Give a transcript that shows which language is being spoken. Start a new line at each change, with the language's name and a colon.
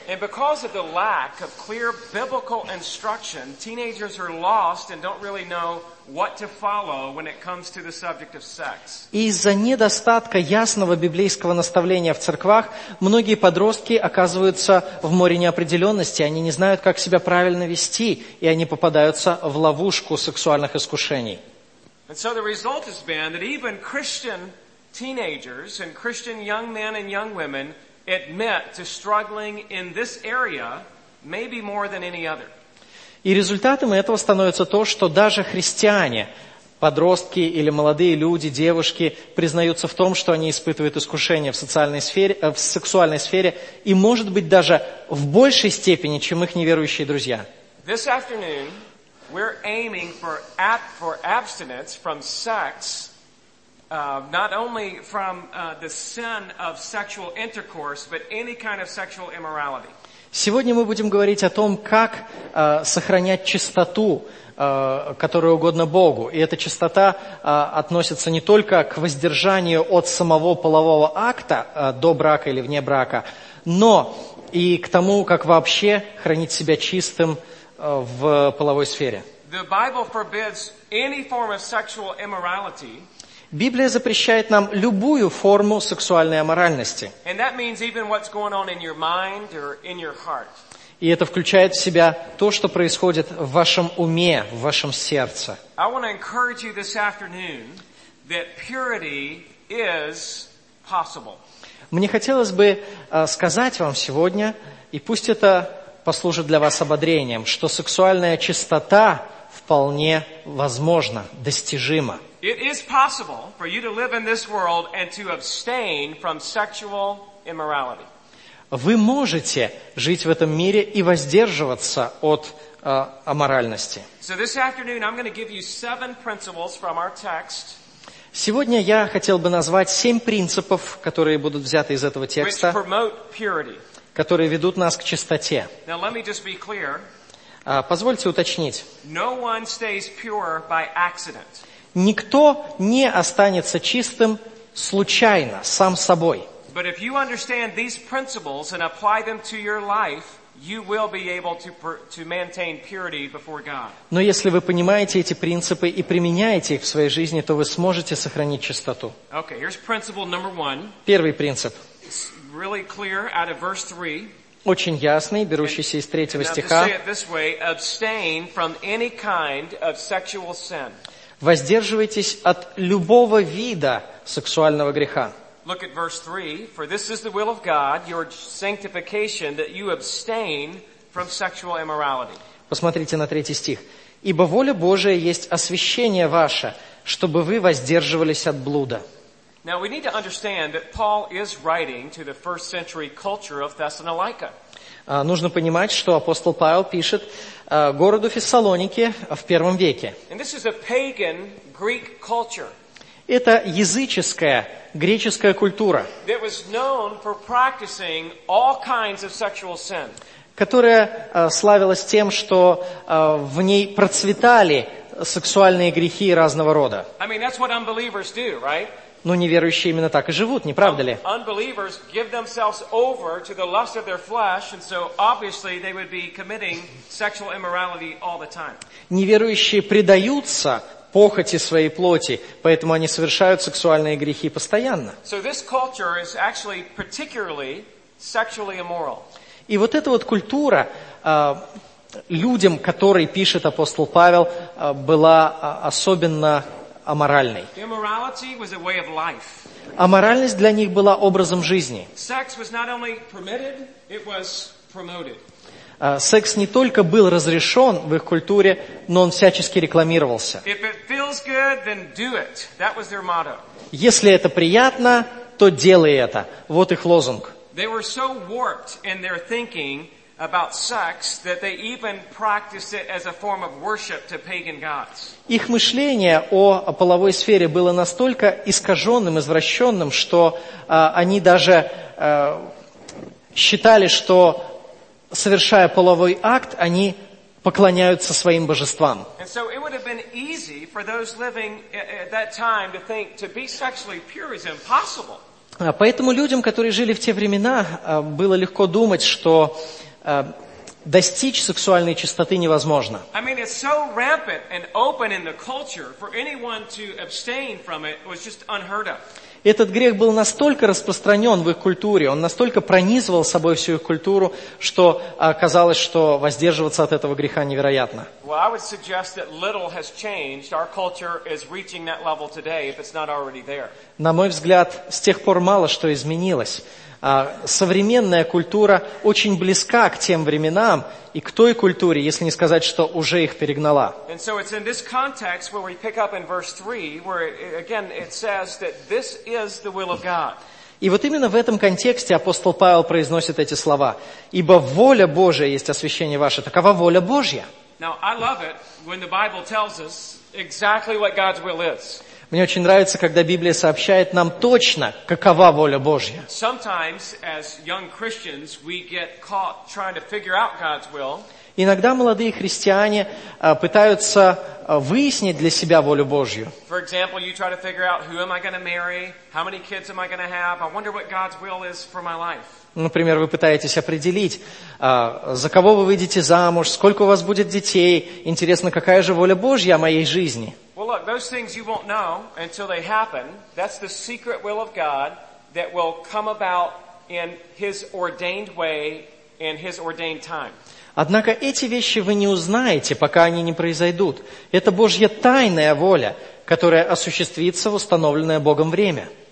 English: And because of the lack of clear biblical instruction, teenagers are lost and don't really know what to follow when it comes to the subject of sex.
Russian: Из-за недостатка ясного библейского наставления в церквах многие подростки оказываются в море неопределенности. Они не знают, как себя правильно вести, и они попадаются в ловушку сексуальных искушений.
English: And so the result has been that even Christian teenagers and Christian young men and young women admit to struggling in this area maybe more than any other.
Russian: И результатом этого становится то, что даже христиане, подростки или молодые люди, девушки, признаются в том, что они испытывают искушения в социальной сфере, в сексуальной сфере, и, может быть, даже в большей степени, чем их неверующие друзья.
English: This afternoon we're aiming for abstinence from sex, not only from the sin of sexual intercourse, but any kind of sexual immorality.
Russian: Сегодня мы будем говорить о том, как сохранять чистоту, которая угодна Богу. И эта чистота относится не только к воздержанию от самого полового акта до брака или вне брака, но и к тому, как вообще хранить себя чистым в половой сфере.
English: The Bible forbids any form of sexual immorality.
Russian: Библия запрещает нам любую форму сексуальной аморальности.
English: And that means even what's going on in your mind or in your heart.
Russian: И это включает в себя то, что происходит в вашем уме, в вашем сердце.
English: I want to encourage you this afternoon that purity is possible.
Russian: Мне хотелось бы сказать вам сегодня И пусть это послужит для вас ободрением, что сексуальная чистота вполне возможна, достижима.
English: It is possible for you to live in this world and to abstain from sexual immorality.
Russian: Вы можете жить в этом мире и воздерживаться от аморальности.
English: So this afternoon I'm going to give you seven principles from our text.
Russian: Сегодня я хотел бы назвать семь принципов, которые будут взяты из этого текста,
English: which promote purity.
Russian: Которые ведут нас к чистоте.
English: Now let me just be clear.
Russian: Позвольте уточнить.
English: No one stays pure by accident.
Russian: Никто не останется чистым случайно, сам собой.
English: But if you understand these principles and apply them to your life, you will be able to maintain purity before God.
Russian: Но если вы понимаете эти принципы и применяете их в своей жизни, то вы сможете сохранить чистоту.
English: Okay, here's principle number one.
Russian: Первый принцип.
English: It's really clear out of verse 3.
Russian: Очень ясный, берущийся из третьего стиха.
English: And to say it this way, abstain from any kind of sexual sin.
Russian: Воздерживайтесь от любого вида сексуального греха.
English: Look at verse 3. For this is the will of God, your sanctification, that you abstain from sexual immorality.
Russian: Посмотрите на третий стих. Ибо воля Божия есть освящение ваше, чтобы вы воздерживались от блуда.
English: Now we need to understand that Paul is writing to the first century culture of Thessalonica.
Russian: Нужно понимать, что апостол Павел пишет городу Фессалоники в первом веке.
English: And this is a pagan Greek culture.
Russian: Это языческая греческая культура,
English: that was known for practicing all kinds of sexual sin.
Russian: Которая славилась тем, что в ней процветали сексуальные грехи разного рода.
English: I mean, that's what unbelievers do, right?
Russian: Но неверующие именно так и живут, не правда ли?
English: Unbelievers give themselves over to the lust of their flesh, and so obviously they would be committing sexual immorality all the time.
Russian: Неверующие предаются похоти своей плоти, поэтому они совершают сексуальные грехи постоянно.
English: So this culture is actually particularly sexually immoral.
Russian: И вот эта вот культура людям, которые пишет апостол Павел, была особенно аморальной.
English: Immorality was a way of life.
Russian: Аморальность для них была образом жизни.
English: Sex was not only permitted, it was promoted.
Russian: Секс не только был разрешен в их культуре, но он всячески рекламировался.
English: If it feels good, then do it. That was their motto.
Russian: Если это приятно, то делай это. Вот их лозунг.
English: They were so warped in their thinking about sex that they even practiced it as a form of worship to pagan gods.
Russian: Их мышление о половой сфере было настолько искаженным, извращенным, что они даже считали, что совершая половой акт, они поклоняются своим божествам.
English: And so it would have been easy for those living at that time to think to be sexually pure is impossible.
Russian: Поэтому людям, которые жили в те времена, было легко думать, что достичь сексуальной чистоты невозможно.
English: I mean, it's so rampant and open in the culture for anyone to abstain from it was just unheard of.
Russian: Этот грех был настолько распространен в их культуре, он настолько пронизывал собой всю их культуру, что казалось, что воздерживаться от этого греха невероятно.
English: Well, I would suggest that little has changed. Our culture is reaching that level today, if it's not already there.
Russian: На мой взгляд, с тех пор мало что изменилось. Современная культура очень близка к тем временам и к той культуре, если не сказать, что уже их перегнала.
English: And so it's in this context where we pick up in verse 3, where again it says that this is the will of God.
Russian: И вот именно в этом контексте апостол Павел произносит эти слова. Ибо воля Божия есть освящение ваше. Такова воля Божья.
English: Now I love it when the Bible tells us exactly what God's will is.
Russian: Мне очень нравится, когда Библия сообщает нам точно, какова воля Божья.
English: Sometimes, as young Christians, we get caught trying to figure out God's will.
Russian: Иногда молодые христиане пытаются выяснить для себя волю Божью.
English: For example, you try to figure out who am I going to marry, how many kids am I going to have, I wonder what God's will is for my life.
Russian: Например, вы пытаетесь определить, за кого вы выйдете замуж, сколько у вас будет детей, интересно, какая же воля Божья о моей жизни.
English: Well, look, those things you won't know until they happen. That's the secret will of God that will come about in His ordained way and His ordained time.
Russian: Однако эти вещи вы не узнаете, пока они не произойдут. Это Божья тайная воля, которая осуществится в установленное Богом время.